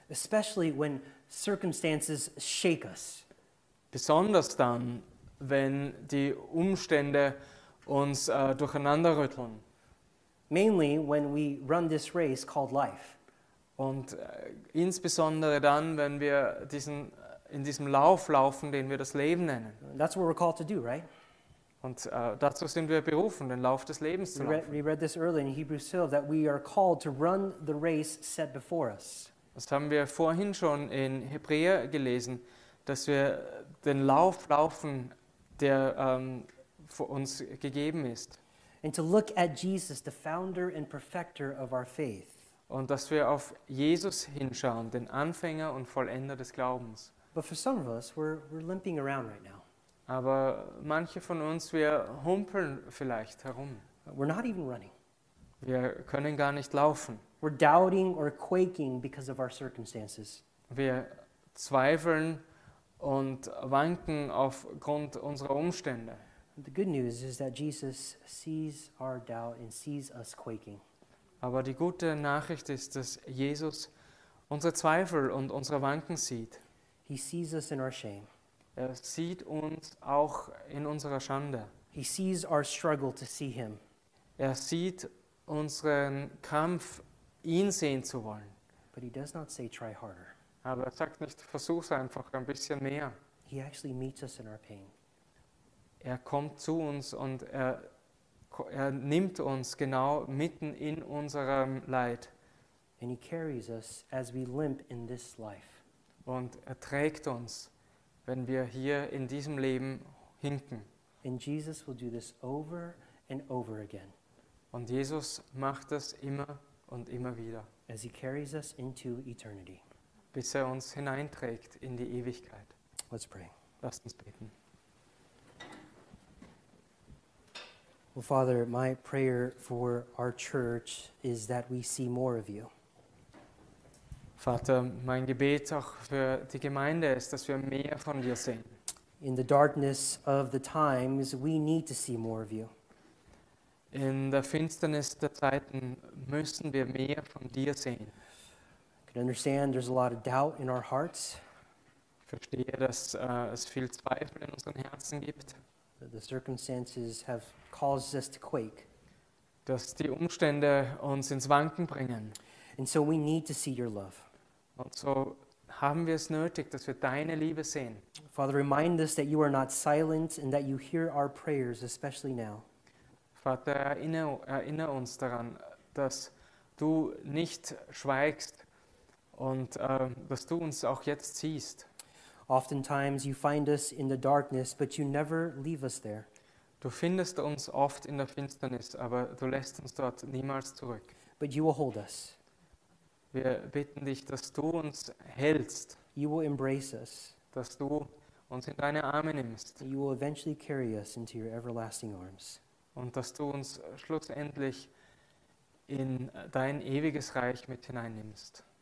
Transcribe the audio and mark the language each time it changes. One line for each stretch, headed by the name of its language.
English: Especially when circumstances shake us.
German: Besonders dann, wenn die Umstände uns durcheinander rütteln.
English: Mainly when we run this race called life.
German: Und insbesondere dann, wenn wir in diesem Lauf laufen, den wir das Leben nennen.
English: That's what we're called to do, right?
German: Und dazu sind wir berufen, den Lauf des Lebens zu laufen.
English: We read this earlier in Hebrews 12, that we are called to run the race set before us.
German: Das haben wir vorhin schon in Hebräer gelesen, dass wir den Lauf laufen, der für uns gegeben ist.
English: And to look at Jesus, the founder and perfecter of our faith.
German: Und dass wir auf Jesus hinschauen, den Anfänger und Vollender des Glaubens.
English: But for some of us, we're limping around right now.
German: Aber manche von uns, wir humpeln vielleicht herum.
English: We're not even running.
German: Wir können gar nicht laufen.
English: We're doubting or quaking because of our circumstances.
German: Wir zweifeln und wanken aufgrund unserer Umstände.
English: The good news is that Jesus sees our doubt and sees us quaking.
German: Aber die gute Nachricht ist, dass Jesus unsere Zweifel und unsere Wanken sieht.
English: He sees us in our shame.
German: Er sieht uns auch in unserer Schande.
English: He sees our struggle to see him.
German: Er sieht unseren Kampf, ihn sehen zu wollen.
English: But he does not say, try harder.
German: Aber er sagt nicht, versuch's einfach ein bisschen mehr.
English: He actually meets us in our pain.
German: Er kommt zu uns und er nimmt uns genau mitten in unserem Leid.
English: And he carries us as we limp in this life.
German: Und er trägt uns, wenn wir hier in diesem Leben hinken.
English: And Jesus will do this over and over again.
German: Und Jesus macht das immer und immer wieder.
English: As he carries us into eternity.
German: Bis er uns hineinträgt in die Ewigkeit.
English: Let's pray.
German: Lasst uns beten.
English: Well, Father, my prayer for our church is that we see more of you.
German: Vater, mein Gebet auch für die Gemeinde ist, dass wir mehr von dir sehen.
English: In the darkness of the times, we need to see more of you.
German: In der Finsternis der Zeiten müssen wir mehr von dir sehen.
English: I can understand there's a lot of doubt in our hearts.
German: Ich verstehe, dass es viel Zweifel in unseren Herzen gibt.
English: The circumstances have caused us to quake.
German: Dass die Umstände uns ins Wanken bringen.
English: And so we need to see your love.
German: Und so haben wir es nötig, dass wir deine Liebe sehen.
English: Father, remind us that you are not silent and that you hear our prayers, especially now.
German: Vater, erinnere uns daran, dass du nicht schweigst und dass du uns auch jetzt siehst.
English: Oftentimes you find us in the darkness, but you never leave us there.
German: Du findest uns oft in der Finsternis, aber du lässt uns dort niemals zurück.
English: But you will hold us.
German: Wir bitten dich, dass du uns hältst.
English: You will embrace us.
German: Dass du uns in deine Arme nimmst.
English: You will eventually carry us into your everlasting arms.
German: Und dass du uns schlussendlich in dein ewiges Reich mit hineinnimmst.